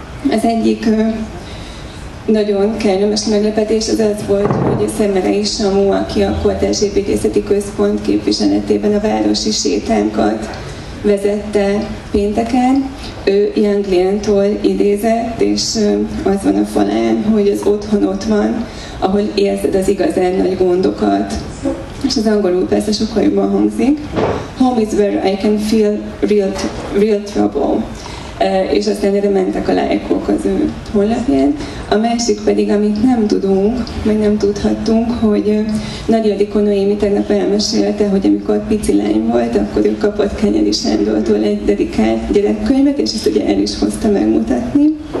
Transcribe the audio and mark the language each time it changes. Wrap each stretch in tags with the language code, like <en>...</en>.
<hu>Az egyik nagyon kellemes meglepetés az az volt, hogy Szemere is Samu, aki a Kortárs Építészeti Központ képviseletében a városi sétánkat vezette pénteken, ő Young Lian-tól idézett, és az van a falán, hogy az otthon ott van, ahol érzed az igazán nagy gondokat. És az angolul persze sokkal jobban hangzik.</hu> <en>Home is where I can feel real trouble.</en> <hu>És aztán erre mentek a lájkok az ő honlapján. A másik pedig, amit nem tudunk, vagy nem tudhattunk, hogy Nagy Ildikó Noémi tegnap elmesélte, hogy amikor pici lány volt, akkor ő kapott Kenyedi Sándortól egy dedikált gyerekkönyvet, és ezt ugye el is hozta megmutatni.</hu>